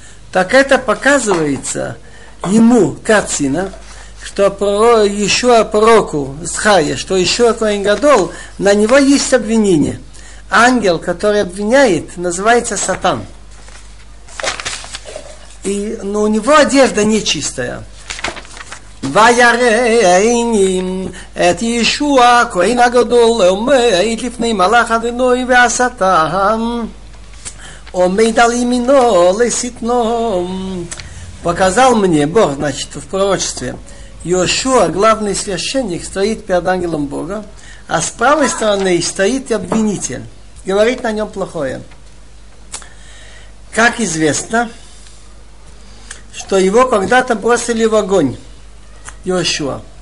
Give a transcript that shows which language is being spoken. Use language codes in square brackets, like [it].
[ru] Так это показывается ему, картина, что Иешуа пророку Схария, что Иешуа Коэн Гадол, на него есть обвинение. Ангел, который обвиняет, называется Сатан. И, но у него одежда нечистая. [he] ויראיןים את ישוע כהן הגדול עומד לפני מלאך אדוני והשטן. [ru] Показал мне Бог, значит, в пророчестве. Йошуа, главный священник, стоит перед ангелом Бога, а с правой стороны стоит обвинитель. Говорит на нем плохое. Как известно, что его когда-то бросили в огонь, Йошуа.